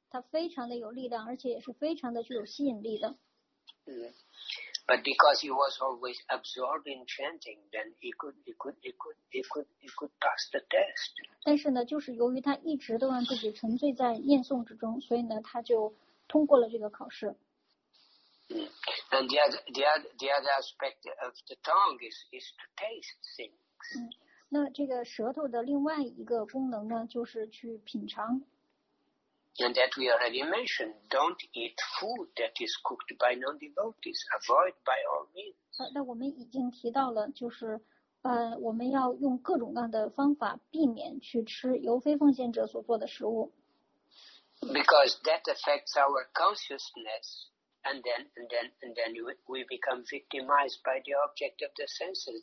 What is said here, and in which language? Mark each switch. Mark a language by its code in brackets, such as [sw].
[zh] 她非常的有力量，而且也是非常的具有吸引力的。 [en] But because he was always absorbed in chanting, then he could pass the test. [zh] 但是呢，就是由于他一直都让自己沉醉在念诵之中，所以呢，他就通过了这个考试。 [en] And the other aspect of the tongue is to taste things. [zh] 那这个舌头的另外一个功能呢，就是去品尝。 [en] And that we already mentioned, don't eat food that is cooked by non-devotees. Avoid by all means. [zh] 那我们已经提到了，就是我们要用各种各样的方法避免去吃由非奉献者所做的食物。 [en] Because that affects our consciousness, and then we become victimized by the object of the senses.